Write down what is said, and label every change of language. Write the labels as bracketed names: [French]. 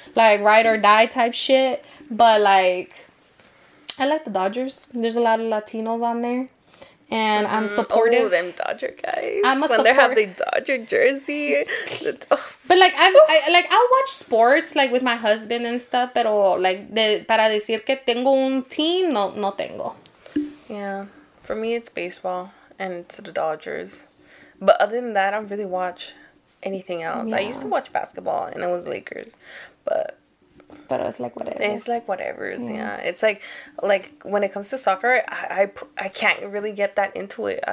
[English] Like, ride or die type shit. But, like, I like the Dodgers. There's a lot of Latinos on there. And I'm supportive. Oh, them Dodger guys. I'm a supporter. When they have the Dodger jersey. But, like, I watch sports, like, with my husband and stuff. [Spanish] Pero, like, para decir que tengo un team, no tengo. [English] Yeah. For me, it's baseball and it's the Dodgers. But other than that, I don't really watch anything else. Yeah. I used to watch basketball and it was Lakers. But it's like whatever. It's like whatever. Yeah. It's like when it comes to soccer, I can't really get that into it.